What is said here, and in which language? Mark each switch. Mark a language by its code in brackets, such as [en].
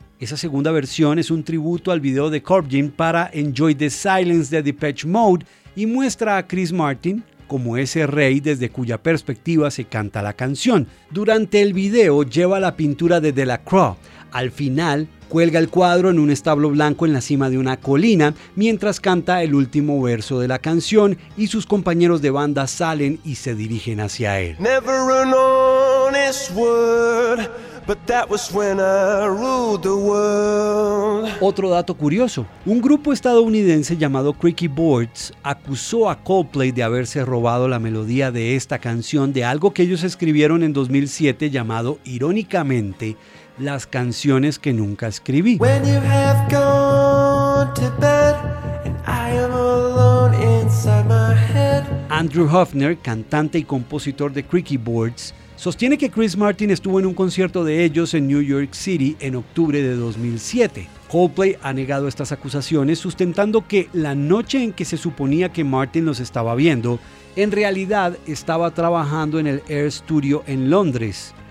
[es] Esa segunda versión es un tributo al video de Corbijn para Enjoy the Silence de Depeche Mode y muestra a Chris Martin como ese rey desde cuya perspectiva se canta la canción. Durante el video lleva la pintura de Delacroix. Al final, cuelga el cuadro en un establo blanco en la cima de una colina mientras canta el último verso de la canción y sus compañeros de banda salen y se dirigen hacia él. [en] Never an honest word, but that was when I ruled the world. [es] Otro dato curioso, un grupo estadounidense llamado Creaky Boards acusó a Coldplay de haberse robado la melodía de esta canción de algo que ellos escribieron en 2007 llamado, irónicamente, Las canciones que nunca escribí. [en] When you have gone to bed and I am alone inside my head. [es] Andrew Huffner, cantante y compositor de Creaky Boards, sostiene que Chris Martin estuvo en un concierto de ellos en New York City en octubre de 2007. Coldplay ha negado estas acusaciones, sustentando que la noche en que se suponía que Martin los estaba viendo, en realidad estaba trabajando en el Air Studio en Londres.